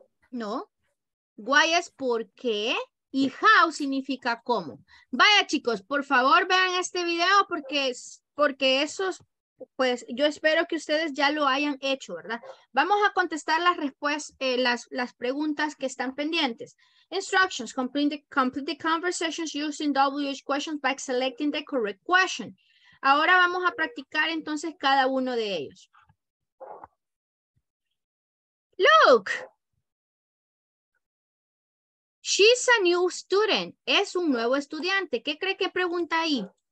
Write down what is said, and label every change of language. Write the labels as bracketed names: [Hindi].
[Spanish] No. Why es por qué y how significa cómo. Vaya, chicos, por favor vean este video porque esos, pues yo espero que ustedes ya lo hayan hecho, ¿verdad? Vamos a contestar las respuestas, las preguntas que están pendientes. [English] Instructions, complete the conversations using WH questions by selecting the correct question. [Spanish] Ahora vamos a practicar entonces cada uno de ellos. [English] Look, she's a new student. [Spanish] Es un nuevo estudiante. ¿Qué cree que pregunta ahí?